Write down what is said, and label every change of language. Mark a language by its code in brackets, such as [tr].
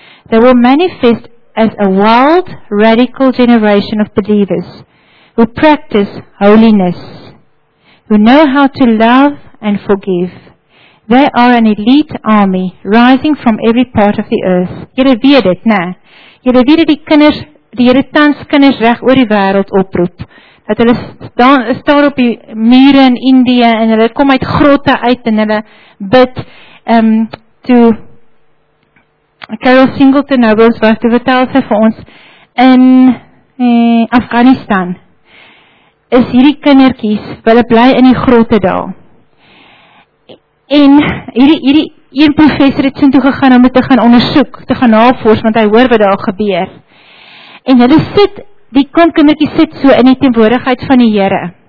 [en] They will manifest as a wild, radical generation of believers who practice holiness, who know how to love and forgive. They are an elite army rising from every part of the earth. [af] Jy weet dit, né? Jy weet dit, die kinders, die Here tans kinders reg oor die wêreld oproep. Dat hulle staan op die mure in Indië en hulle kom uit grotte uit en hulle bid. Toe Carol Singleton Nobles was, toe vertel sy vir ons, in Afghanistan is hierdie kindertjies, hulle bly in die grotte daar. En hierdie een professor het soontoe gegaan om dit te gaan ondersoek, te gaan navors, want hy hoor wat daar gebeur. En hulle sit, die kindertjies sit so in die teenwoordigheid van die Here.